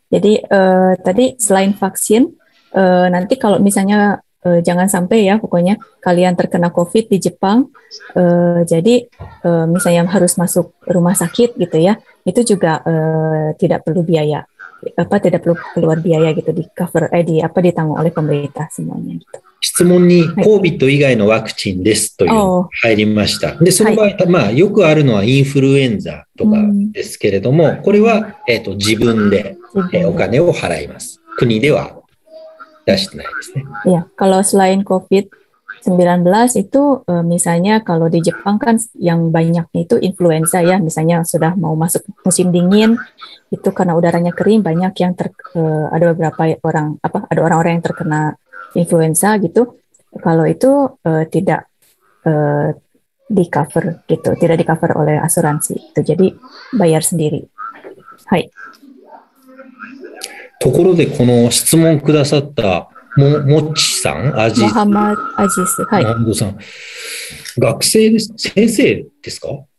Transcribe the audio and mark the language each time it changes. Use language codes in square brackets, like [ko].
[id] Jadi, tadi selain vaksin, nanti kalau misalnya jangan sampai ya, pokoknya kalian terkena COVID di Jepang, jadi misalnya harus masuk rumah sakit gitu ya, itu juga tidak perlu biaya, apa tidak perlu keluar biaya gitu di cover, di apa ditanggung oleh pemerintah semuanya gitu。 [ja] 質問に COVID 以外のワクチンですという入りました。で、その場合、はい、まあ、よくあるのはインフルエンザとかですけれども、これは、自分で、お金を払います。国では出してないですね。い [id] や、kalau selain COVID-19 itu, misalnya kalau di Jepang kan yang banyaknya itu influenza ya, misalnya sudah mau masuk musim dingin, itu karena udaranya kering, banyak yang ada beberapa orang, apa, ada orang-orang yang terkena influenza gitu, kalau itu tidak di cover gitu, tidak di cover oleh asuransi itu, jadi bayar sendiri. Hai. [ja] ところでこの質問くださったモチさん、アジス、モハマドアジス、はい、モハマドさん、学生です、先生ですか？